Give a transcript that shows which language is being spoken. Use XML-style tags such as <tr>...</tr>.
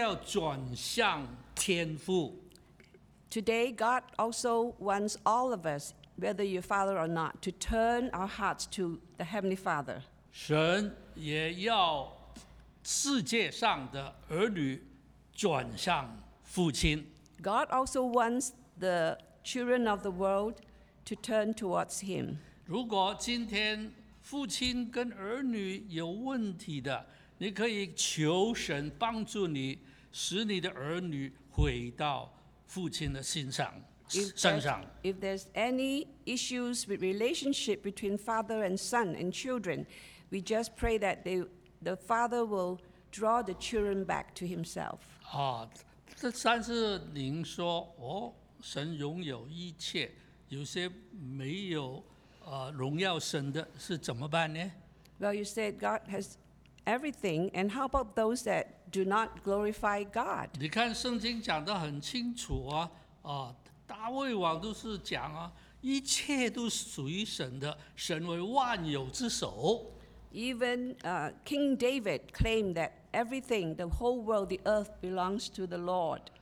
<zh>今天神希望所有的父亲,不是父亲的,都要转向天父。</zh> <en>Today, God also wants all of us, whether you're father or not, to turn our hearts to the Heavenly Father.</en> <zh>神也要世界上的儿女转向父亲。</zh> <en>God also wants the children of the world to turn towards Him.</en> <zh>如果今天父亲跟儿女有问题的, 你可以求神帮助你, 使你的儿女回到 父亲的心上。身上。</zh> <en>If there's any issues with relationship between father and son and children, we just pray that the father will draw the children back to himself.</en> <zh>但是您说，神拥有一切，有些没有荣耀神的是怎么办呢？</zh> <en>Well, you said God has everything, and how about those that do not glorify God?</en> <zh>你看圣经讲得很清楚啊，大卫王都是讲啊，一切都是属于神的，神为万有之首。</zh> <en>Even King David claimed that everything, the whole world, the earth belongs to the Lord.</en>